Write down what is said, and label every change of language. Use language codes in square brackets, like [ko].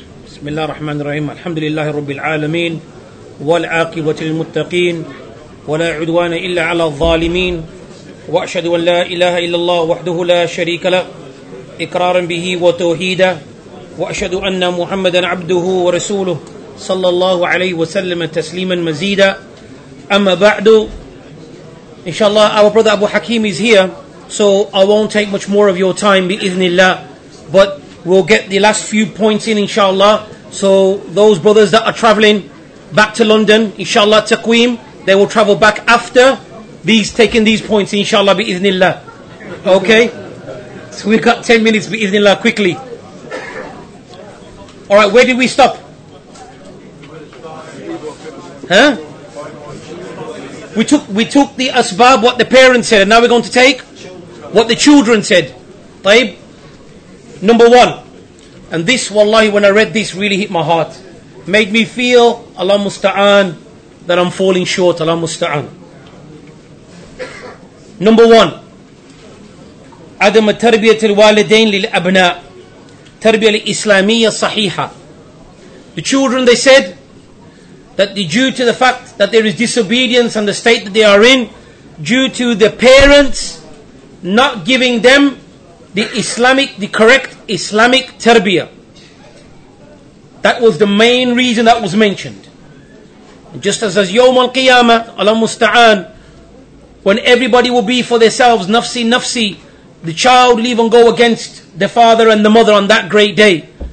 [ar] بسم الله الرحمن الرحيم الحمد لله رب العالمين والعاقبة للمتقين ولا عدوان إلا على الظالمين وأشهد أن لا إله إلا الله وحده لا شريك له إقرارا به وتوحيدا وأشهد أن محمدا عبده ورسوله صلى الله عليه وسلم تسليما مزيدا أما بعد إن شاء الله [en] our brother Abu Hakim is here so I won't take much more of your time [ar] بإذن الله [en] but we'll get the last few points in, inshallah. So those brothers that are traveling back to London, inshallah, taqweem, they will travel back after these taking these points, inshallah, bi-idhnillah. Okay? So we've got 10 minutes, bi-idhnillah, quickly. All right, where did we stop? Huh? We took the asbab, what the parents said, and now we're going to take what the children said. Taib? Number one, And this, wallahi, when I read this, really hit my heart. Made me feel, Allah musta'an, that I'm falling short, Allah musta'an. [ar] Number one, عدم تربية الوالدين للأبناء تربية الإسلامية صحيحة. [en] The children, they said, that due to the fact that there is disobedience and the state that they are in, due to the parents not giving them the correct Islamic tarbiyah. That was the main reason that was mentioned. Just as Yawm al-Qiyamah, Allah musta'an, when everybody will be for themselves, nafsi, nafsi, the child leave and go against the father and the mother on that great day.